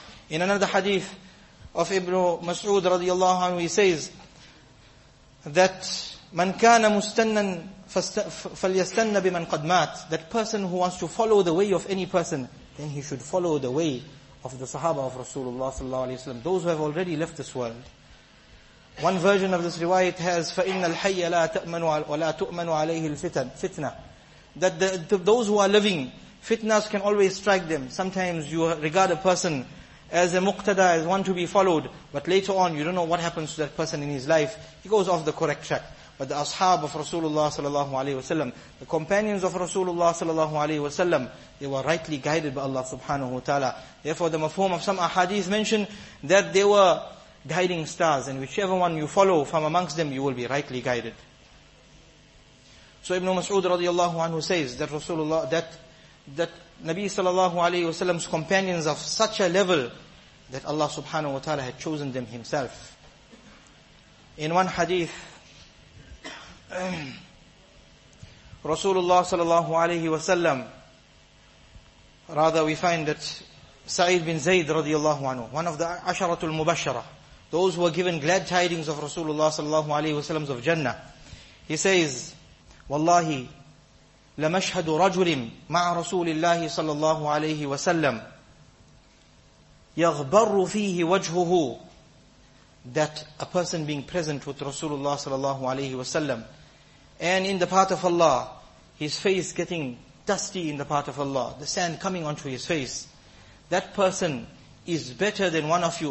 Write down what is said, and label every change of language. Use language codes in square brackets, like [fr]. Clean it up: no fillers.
[en] In another hadith of Ibn Mas'ud radiallahu anhu, he says that [ar] من كان مستنًا فليستن بمن قد مات. [en] That person who wants to follow the way of any person, then he should follow the way of the Sahaba of Rasulullah sallallahu alayhi wa sallam, those who have already left this world. One version of this riwayat has, [ar] فَإِنَّ الْحَيَّ لَا تَأْمَنُ وَلَا تُؤْمَنُ عَلَيْهِ الْفِتَنَ. [en] Fitna. That those who are living, fitnas can always strike them. Sometimes you regard a person as a muqtada, as one to be followed, but later on you don't know what happens to that person in his life. He goes off the correct track. But the ashab of Rasulullah sallallahu alayhi wa sallam, the companions of Rasulullah sallallahu alayhi wa sallam, they were rightly guided by Allah subhanahu wa ta'ala. Therefore the mafhum of some ahadith mention that they were guiding stars, and whichever one you follow from amongst them, you will be rightly guided. So Ibn Mas'ud radiallahu anhu says that Rasulullah, that Nabi sallallahu alayhi wasallam's companions of such a level that Allah subhanahu wa ta'ala had chosen them himself. In one hadith, Rasulullah sallallahu alayhi wasallam, rather we find that Sa'id bin Zayd radiallahu anhu, one of the asharatul mubashara, those who were given glad tidings of Rasulullah sallallahu alayhi wa sallam of Jannah. He says, [ar] Wallahi, لَمَشْهَدُ رَجُلٍ مَعَ رَسُولِ اللَّهِ صَلَّى اللَّهُ عَلَيْهِ وَسَلَّمُ. يَغْبَرُّ فِيهِ وَجْهُهُ, [en] that a person being present with Rasulullah sallallahu alayhi wa sallam, and in the path of Allah, his face getting dusty in the path of Allah, the sand coming onto his face, that person is better than one of you.